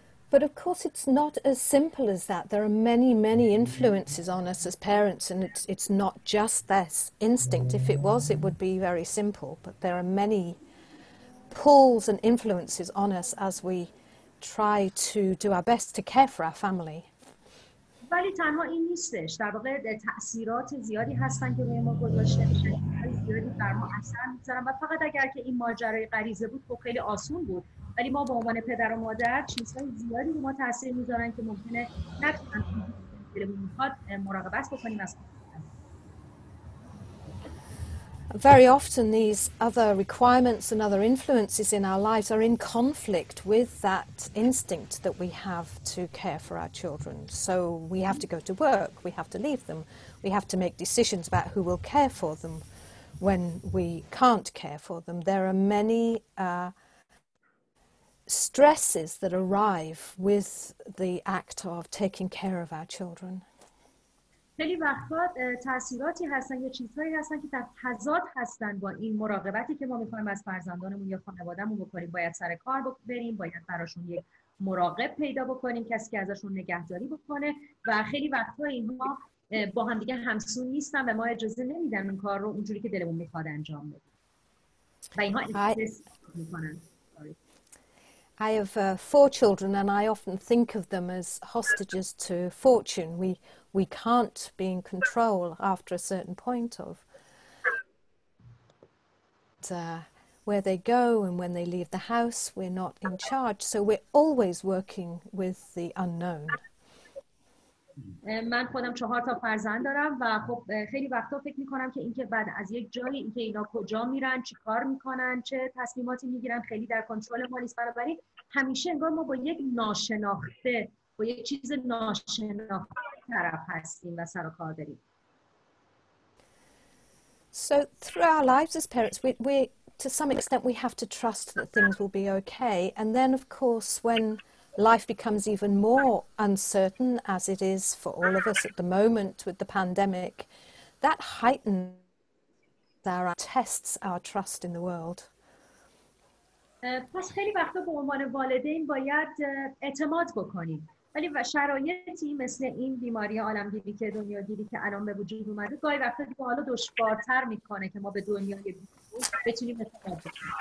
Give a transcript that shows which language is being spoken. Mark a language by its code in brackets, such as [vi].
[en] But of course it's not as simple as that. There are many, many influences on us as parents, and it's not just this instinct. If it was, it would be very simple. But there are many pulls and influences on us as we try to do our best to care for our family. [fa] ولی تنها این نیستش. در واقع تأثیرات زیادی هستن که روی ما گذاشته میشن. خیلی زیادی بر ما اثر میذارن. و فقط اگر که این ماجرای غریزه بود خب خیلی آسون بود. ولی ما به عنوان پدر و مادر چیزهای زیادی رو ما تأثیر میذارن که ممکنه نتونن دلمون میخواد مراقبت بکنیم از [en] Very often these other requirements and other influences in our lives are in conflict with that instinct that we have to care for our children. So we have to go to work, we have to leave them, we have to make decisions about who will care for them when we can't care for them. There are many stresses that arrive with the act of taking care of our children. [fa] خیلی وقتا تأثیراتی هستن یا چیزهایی هستن که در تضاد هستن با این مراقبتی که ما میخوایم از فرزندانمون یا خانوادهمون بکنیم. باید سر کار بریم، باید براشون یک مراقب پیدا بکنیم، کسی که ازشون نگهداری بکنه و خیلی وقتا اینها با هم دیگه همسو نیستن و ما اجازه نمیدن اون کار رو اونجوری که دلمون میخواد انجام بدیم و اینها استرس میکنن. [en] I have four children, and I often think of them as hostages to fortune. We can't be in control after a certain point of where they go and when they leave the house. We're not in charge, so we're always working with the unknown. [fa] من خودم چهار تا فرزند دارم و خب خیلی وقتا فکر میکنم که اینکه بعد از یک جایی اینکه اینا کجا میرن، چی کار میکنن، چه تصمیماتی میگیرن خیلی در کنترل ما نیست. بنابراین همیشه انگار ما با یک ناشناخته، با یک چیز ناشناخته طرف هستیم و سر و کار داریم. [en] So through our lives as parents, we to some extent we have to trust that things will be okay, and then of course when life becomes even more uncertain, as it is for all of us at the moment with the pandemic, that heightens our tests our trust in the world. [fa] پس خیلی وقتا به عنوان والدین باید اعتماد بکنیم. ولی شرایطی مثل این بیماری عالمگیری که دنیا گیری که الان به وجود اومده گاهی وقتا دیگه حالا دشوارتر میکنه که ما به دنیا بتونیم اعتماد بکنیم.